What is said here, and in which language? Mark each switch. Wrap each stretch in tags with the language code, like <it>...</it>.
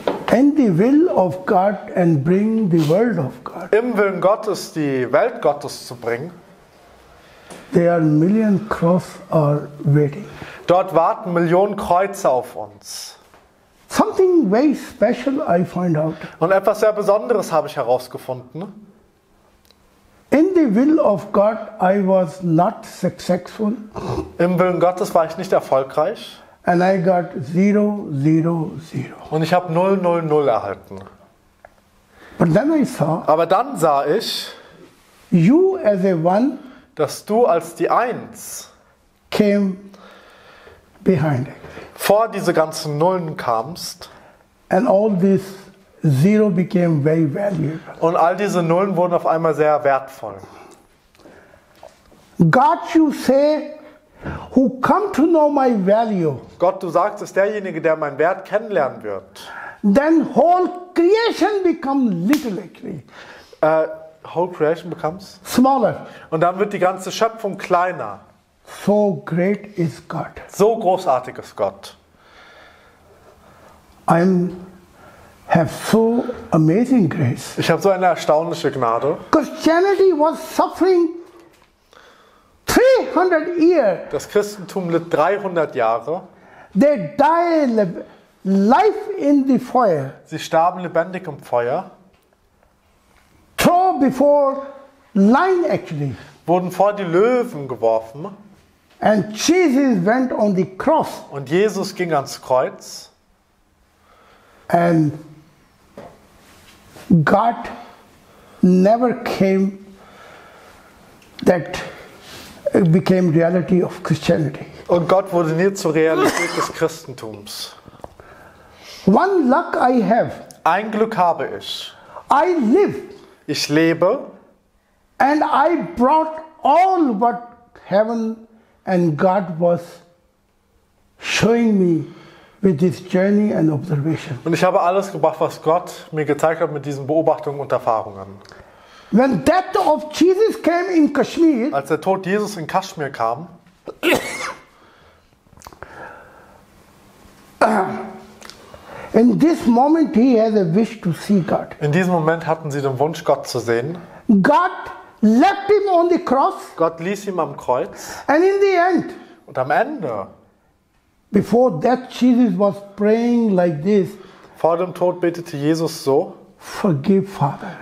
<en>And the will of God and bring the world of God.</en> <de>Im Willen Gottes die Welt Gottes zu bringen.</de> <en>There are million cross are waiting.</en> <de>Dort warten Millionen Kreuze auf uns.</de> <en>Something very special I find out.</en> <de>Und etwas sehr Besonderes habe ich herausgefunden.</de> <en>In the will of God I was not successful.</en> <de>Im Willen Gottes war ich nicht erfolgreich.</de> <en>And I got 0, 0, 0.</en> <de>Und ich habe 0, 0, 0 erhalten.</de> <en>But then I saw,</en> <de>aber dann sah ich,</de> <en>you as a one,</en> <de>dass du als die Eins</de> <en>came behind it.</en> <de>Vor diese ganzen Nullen kamst.</de> <en>And all this zero became very valuable.</en> <de>Und all diese Nullen wurden auf einmal sehr wertvoll.</de> <en>God, you say, who come to know my value.</en> <de>Gott, du sagst, ist derjenige, der meinen Wert kennenlernen wird.</de> <en>Then whole creation become little actually. Whole creation becomes smaller.</en> <de>Und dann wird die ganze Schöpfung kleiner.</de> <en>So great is God.</en> <de>So großartig ist Gott.</de> <en>I have so amazing grace.</en> <de>Ich habe so eine erstaunliche Gnade.</de> <en>Christianity was suffering 300 years.</en> <de>Das Christentum litt 300 Jahre.</de> <en>They died life in the fire.</en> <de>Sie starben lebendig im Feuer.</de> <en>Throw before lion actually.</en> <de>Wurden vor die Löwen geworfen.</de> <en>And Jesus went on the cross.</en> <de>Und Jesus ging ans Kreuz.</de> <en>And God never came that it became reality of Christianity.</en> <de>Und Gott wurde nie zur Realität des Christentums.</de> <en>One luck I have.</en> <de>Ein Glück habe ich.</de> <en>I live.</en> <de>Ich lebe.</de> <en>And I brought all what heaven and God was showing me with this journey and observation.</en> <de>Und ich habe alles gebracht, was Gott mir gezeigt hat mit diesen Beobachtungen und Erfahrungen.</de> <en>When death of Jesus came in Kashmir.</en> <de>Als der Tod Jesus in Kaschmir kam.</de> <en>In this moment he had a wish to see God.</en> <de>In diesem Moment hatten sie den Wunsch, Gott zu sehen.</de> <en>God left him on the cross.</en> <de>Gott ließ ihn am Kreuz.</de> <en>And in the end.</en> <de>Und am Ende.</de> <en>Before death Jesus was praying like this.</en> <de>Vor dem Tod betete Jesus so.</de> <en>Forgive Father.</en>